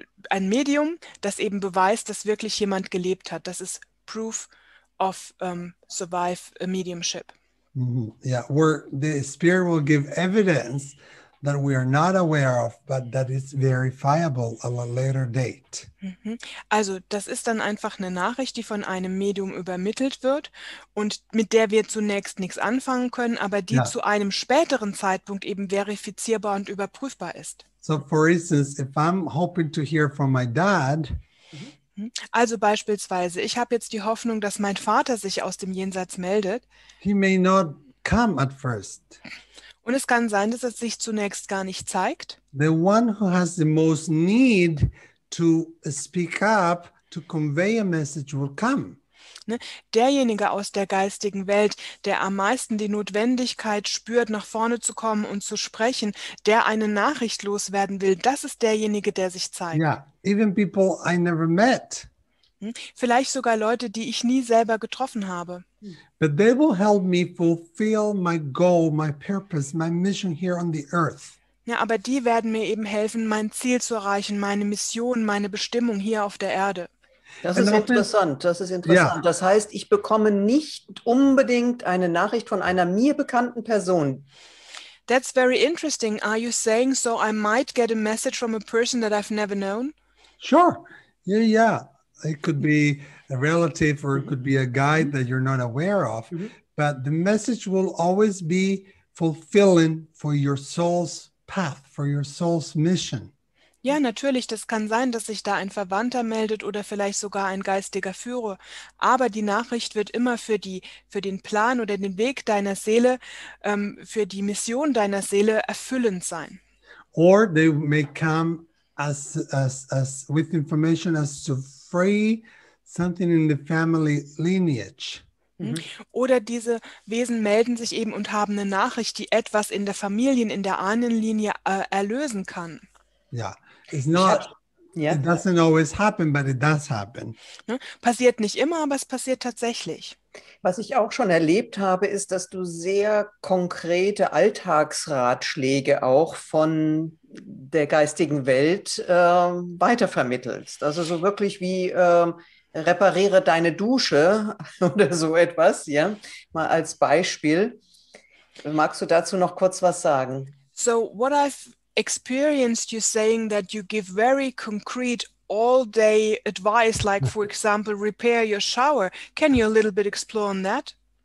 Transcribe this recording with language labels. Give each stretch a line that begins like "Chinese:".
German: Ein Medium, das eben beweist, dass wirklich jemand gelebt hat. Das ist
English: proof of survive a mediumship. Yeah, where the spirit will give evidence that we are not aware of, but that is verifiable at a later date.
German: Also, das ist dann einfach eine Nachricht, die von einem Medium übermittelt wird und mit der wir zunächst nichts anfangen können, aber die zu einem späteren Zeitpunkt eben verifizierbar und überprüfbar ist.
English: So, for instance, if I'm hoping to hear from my dad.
German: Also beispielsweise, ich habe jetzt die Hoffnung, dass mein Vater sich aus dem Jenseits meldet.
English: He may not come at first.
German: Und es kann sein, dass er sich zunächst gar nicht zeigt.
English: The one who has the most need to speak up, to convey a message will come.
German: Derjenige aus der geistigen Welt, der am meisten die Notwendigkeit spürt, nach vorne zu kommen und zu sprechen, der eine Nachricht loswerden will, das ist derjenige, der sich zeigt.
English: Yeah, even people I never met.
German: Vielleicht sogar Leute, die ich nie selber getroffen habe.
English: But they will help me fulfill my goal, my purpose, my mission here on the earth.
German: Ja, aber die werden mir eben helfen, mein Ziel zu erreichen, meine Mission, meine Bestimmung hier auf der Erde. Das ist interessant. Yeah. Das heißt, ich bekomme nicht unbedingt eine Nachricht von einer mir bekannten Person.
English: That's very interesting. Are you saying so I might get a message from a person that I've never known? Sure. Yeah. It could be a relative or it could be a guide that you're not aware of. Mm-hmm. But the message will always be fulfilling for your soul's path, for your soul's mission.
German: Ja, natürlich, das kann sein, dass sich da ein Verwandter meldet oder vielleicht sogar ein geistiger Führer. Aber die Nachricht wird immer für den Plan oder den Weg deiner Seele, für die Mission deiner Seele erfüllend sein.
English: Or they may come as with information as to free something in the family lineage.
German: Oder diese Wesen melden sich eben und haben eine Nachricht, die etwas in der Familien, in der Ahnenlinie erlösen kann.
English: Ja. Yeah. It's not, yeah. It doesn't always happen, but it does happen.
German: Passiert nicht immer, aber es passiert tatsächlich. Was ich auch schon erlebt habe, ist, dass du sehr konkrete Alltagsratschläge auch von der geistigen Welt weitervermittelst. Also so wirklich wie repariere deine Dusche oder so etwas, ja. Mal als Beispiel. Magst du dazu noch kurz was sagen?
English: So what I've experienced you saying that you give very concrete all day advice, like for example repair your shower. Can you a little bit explore on that?